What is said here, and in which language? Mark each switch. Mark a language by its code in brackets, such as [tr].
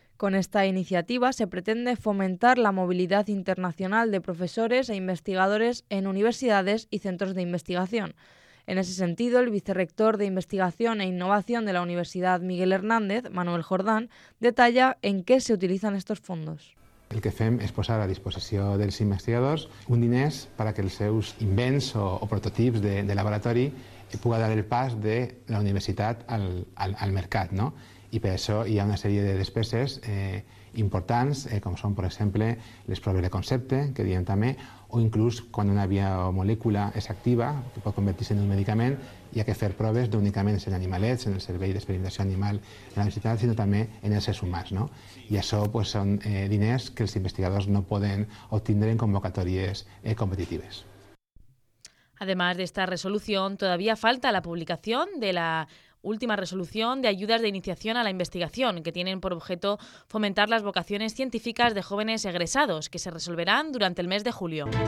[es] Con esta iniciativa se pretende fomentar la movilidad internacional de profesores e investigadores en universidades y centros de investigación. En ese sentido, el vicerrector de Investigación e Innovación de la Universidad Miguel Hernández, Manuel Jordán, detalla en qué se utilizan estos fondos. [ca] El que fem és posar a disposició dels investigadors un diners perquè els seus invents o prototips de laboratori puguin dar el pas de la universitat al mercat, no? I per això hi ha una sèrie de despeses importants, com són, per exemple, les proves de concepte, que diem també, o inclús quan una biomolècula és activa, que pot convertir-se en un medicament, hi ha que fer proves no únicament en animalets, en el servei d'experimentació animal de la universitat, sinó també en els humans, no? I això pues, són diners que els investigadors no poden obtindre en convocatòries competitives. [es] Además de esta resolución, todavía falta la publicación de la última resolución de ayudas de iniciación a la investigación, que tienen por objeto fomentar las vocaciones científicas de jóvenes egresados, que se resolverán durante el mes de julio.